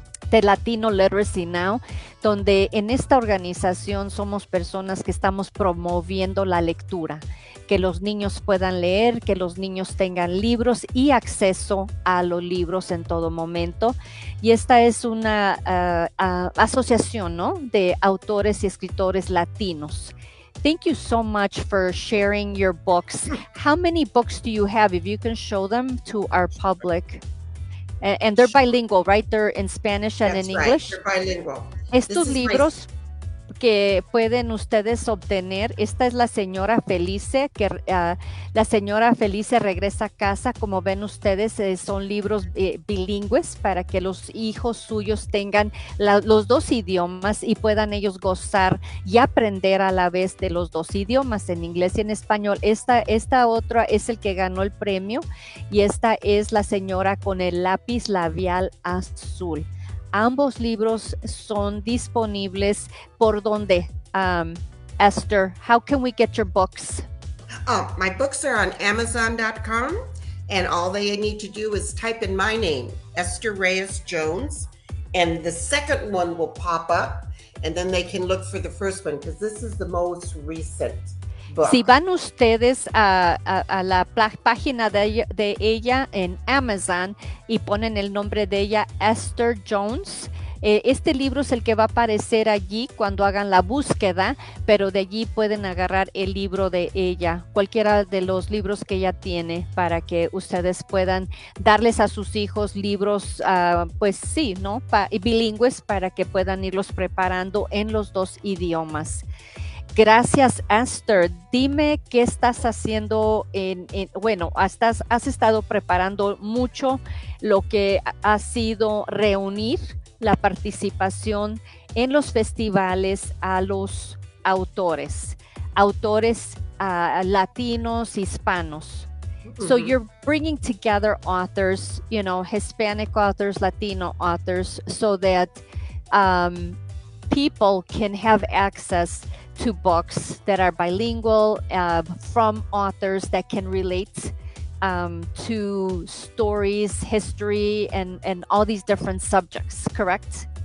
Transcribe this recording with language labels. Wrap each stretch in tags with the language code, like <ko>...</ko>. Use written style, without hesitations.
<es>de Latino Literacy Now, donde en esta organización somos personas que estamos promoviendo la lectura, que los niños puedan leer, que los niños tengan libros y acceso a los libros en todo momento. Y esta es una asociación, ¿no?, de autores y escritores latinos.</es> <en>Thank you so much for sharing your books. How many books do you have? If you can show them to our public. And they're bilingual, right? They're in Spanish and That's in English. Right. They're bilingual.</en> <es>Estos libros que pueden ustedes obtener, esta es la señora Felice, que la señora Felice regresa a casa. Como ven ustedes, son libros bilingües para que los hijos suyos tengan los dos idiomas y puedan ellos gozar y aprender a la vez de los dos idiomas, en inglés y en español. Esta otra es el que ganó el premio, y esta es la señora con el lápiz labial azul. Ambos libros son disponibles por donde, Esther,</es> <en>how can we get your books? Oh, my books are on Amazon.com, and all they need to do is type in my name, Esther Reyes Jones, and the second one will pop up, and then they can look for the first one, because this is the most recent. Book.</en> <es>Si van ustedes a la página de ella en Amazon y ponen el nombre de ella, Esther Jones, este libro es el que va a aparecer allí cuando hagan la búsqueda, pero de allí pueden agarrar el libro de ella, cualquiera de los libros que ella tiene, para que ustedes puedan darles a sus hijos libros, pues sí, ¿no?, bilingües, para que puedan irlos preparando en los dos idiomas. Gracias, Esther. Dime qué estás haciendo has estado preparando mucho lo que ha sido reunir la participación en los festivales a los autores latinos, hispanos.</es> <en>So you're bringing together authors, you know, Hispanic authors, Latino authors, so that people can have access to books that are bilingual, from authors that can relate to stories, history, and all these different subjects, correct?</en>